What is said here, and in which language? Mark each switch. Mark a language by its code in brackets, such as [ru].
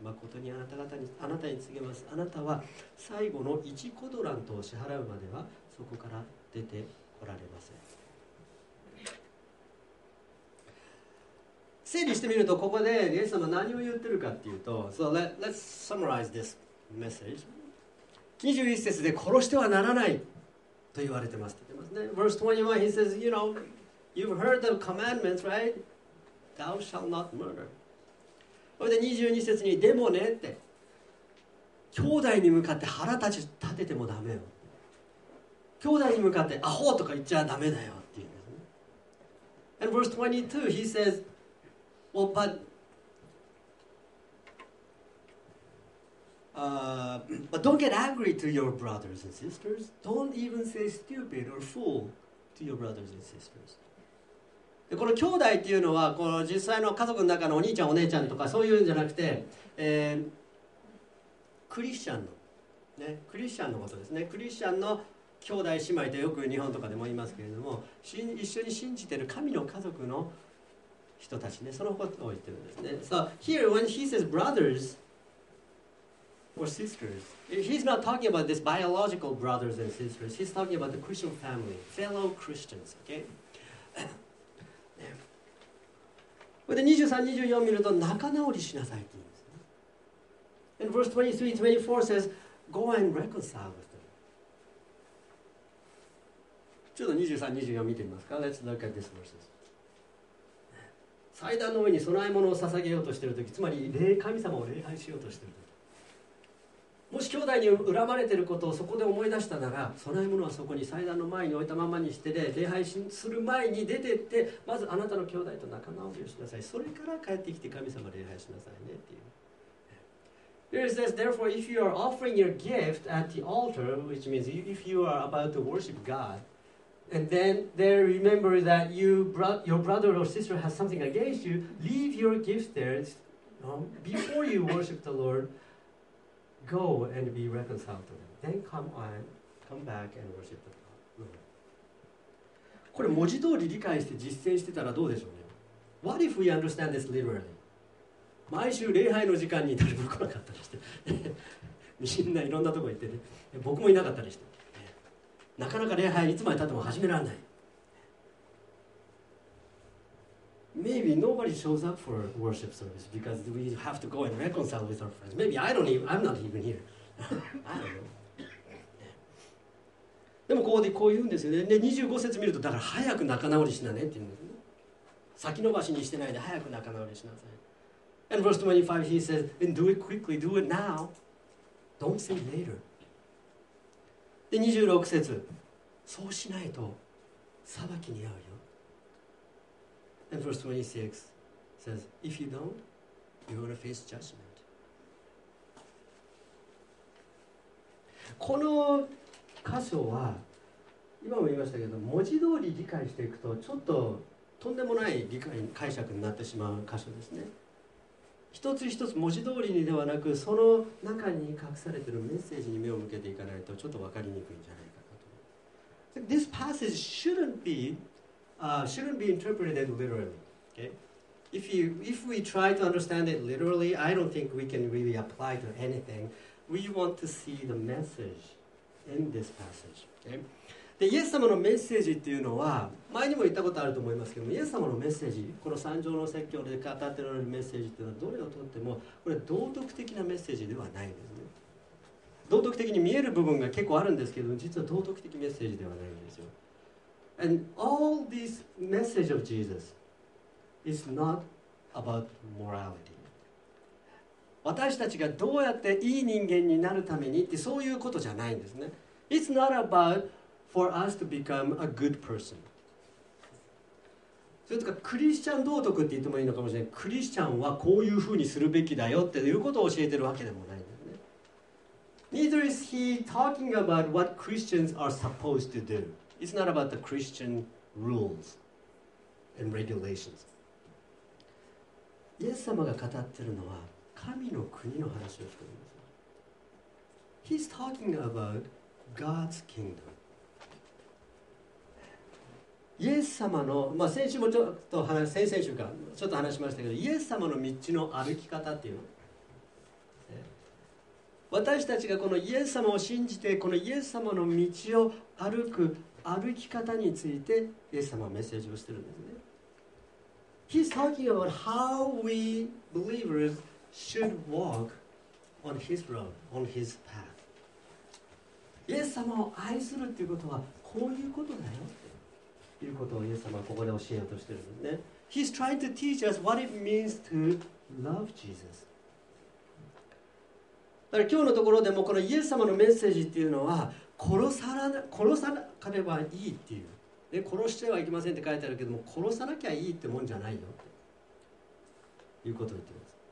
[ja] まことにあなたに告げます、あなたは最後の1コドランとを支払うまではそこから出てこられません。整理してみると、ここでイエス様何を言ってるかっていうと、 [en] So let's summarize this [ja] メッセージ。 21節で殺してはならないと言われてます。 [en] Verse 21, he says, you know, you've heard the commandments, right? Thou shalt not murder. [ja] それで22節に、でもねって、兄弟に向かって腹立ち立ててもダメよ。兄弟に向かってアホとか言っちゃダメだよって言うんですね。 [en] And verse 22, he says, well, butBut don't get angry to your brothers and sisters. Don't even say stupid or fool to your brothers and sisters. [ja] でこの兄弟っていうのは、この実際の家族の中のお兄ちゃんお姉ちゃんとかそういうんじゃなくて、クリスチャンの、ね、クリスチャンのことですね。クリスチャンの兄弟姉妹とよく日本とかでも言いますけれども、一緒に信じてる神の家族の人たちね、そのことを言ってるんですね。 [en] So here when he says brothersOr sisters. He's not talking about this biological brothers and sisters. He's talking about the Christian family, fellow Christians. Okay. [ja] これで23、24見ると仲直りしなさいって言うんですね。 [en] And verse 23, 24 says, "Go and reconcile with them." [ja] ちょっと23、24見てみますか。 [en] Let's look at these verses. [ja] 祭壇の上に供え物を捧げようとしているとき、つまり神様を礼拝しようとしているとき。もし兄弟に恨まれていることをそこで思い出したなら、供え物はそこに祭壇の前に置いたままにして、で礼拝する前に出てって、まずあなたの兄弟と仲直りをしなさい。それから帰ってきて神様礼拝しなさいねっていう。 [en] Here it says, therefore if you are offering your gift at the altar, which means if you are about to worship God, and then there remember that you brought your brother or sister has something against you, leave your gift there, you know, before you worship the LordGo and be reconciled to them. Then come back and worship the Lord. [ja] これ文字通り理解して実践してたらどうでしょうね。 [en] What if we understand this literally? [ja] 毎週礼拝の時間に誰も来なかったりして、みんないろんなとこ行ってね、僕もいなかったりして、なかなか礼拝いつまで経っても始められない。 [en] Maybe nobody shows up for worship service because we have to go and reconcile with our friends. Maybe I'm not even here. I don't know. [ja] でもここでこう言うんですよね。で25節見ると、だから早く仲直りしなねって言うんですね。先延ばしにしてないで早く仲直りしなさい。 [en] And verse 25 he says, then do it quickly, do it now. Don't say later. [ja] で26節、そうしないと裁きに遭うよ。 [en] And verse 26 says, if you don't, you're going to face judgment. [ja] この箇所は、今も言いましたけど、文字通り理解していくと、ちょっととんでもない理解、解釈になってしまう箇所ですね。一つ一つ文字通りにではなく、その中に隠されているメッセージに目を向けていかないと、ちょっと分かりにくいんじゃないかなと。 [en] This passage shouldn't be interpreted literally. Okay, if we try to understand it literally, I don't think we can really apply to anything. We want to see the message in this passage. [ja] Okay, でイエス様のメッセージっていうのは、前にも言ったことあると思いますけども、イエス様のメッセージ、この三条の説教で語っておられるメッセージっていうのは、どれをとってもこれ道徳的なメッセージではないんですね。道徳的に見える部分が結構あるんですけど、実は道徳的メッセージではないんですよ。 [en] And all this message of Jesus is not about morality. [ja] 私たちがどうやっていい人間になるためにって、そういうことじゃないんですね。 [en] It's not about for us to become a good person. [ja] それとかクリスチャン道徳って言ってもいいのかもしれない。クリスチャンはこういうふうにするべきだよっていうことを教えてるわけでもない。 [en] Neither is he talking about what Christians are supposed to do. It's not about the Christian rules and regulations. [ja] イエス様が語ってるのは神の国の話をしています。 [en] He's talking about God's kingdom. [ja] イエス様の、まあ、先週もちょっと話、先々週かちょっと話しましたけど、イエス様の道の歩き方っていうの。私たちがこのイエス様を信じてこのイエス様の道を歩く歩き方についてイエス様はメッセージをしているんですね。 [en] He's talking about how we believers should walk on his road, on his path. [ja] イエス様を愛するということはこういうことだよということをイエス様はここで教えようとしているんですね。 [en] He's trying to teach us what it means to love Jesus. [ja] だから今日のところでもこのイエス様のメッセージっていうのは殺さなければいいっていう、ね、殺してはいけませんって書いてあるけども殺さなきゃいいってもんじゃないよっていうことを言ってます。